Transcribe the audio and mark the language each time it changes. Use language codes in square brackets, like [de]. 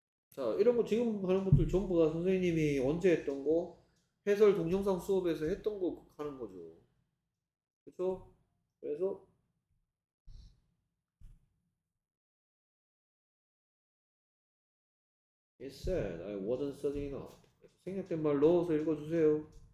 [en] Study. [ko] 자, 이런 거 지금 하는 것들 전부 다 선생님이 언제 했던 거? 해설 동영상 수업에서 했던 거 하는 거죠. 그쵸? [en] 그래서 He said, I wasn't studying enough. [ko] 생략된 말 넣어서 읽어주세요.